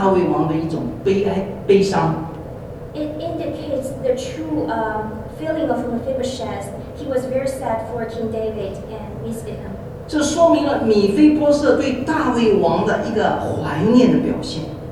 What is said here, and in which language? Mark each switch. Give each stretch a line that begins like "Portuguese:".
Chinese: 这是表明了米非波设他非常出自内心的对大卫王的一种悲哀悲伤。
English: It indicates the true feeling of Mephibosheth. He was very sad for King David and missed him.
Chinese: 这说明了米非波设对大卫王的一个怀念的表现。